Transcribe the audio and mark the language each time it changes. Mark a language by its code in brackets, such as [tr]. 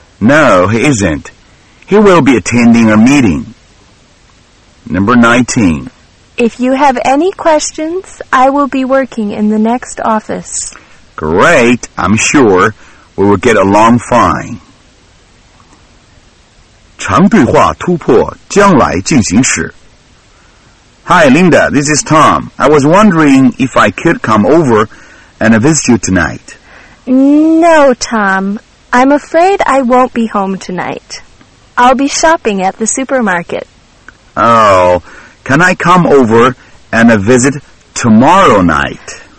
[en] No, he isn't. He will be attending a meeting. Number 19. If you have any questions, I will be working in the next office. Great, I'm sure we will get along fine. [zh] 长对话突破将来进行时。 [en] Hi, Linda, this is Tom. I was wondering if I could come over and visit you tonight. No, Tom. I'm afraid I won't be home tonight. I'll be shopping at the supermarket. Oh, can I come over and visit tomorrow night?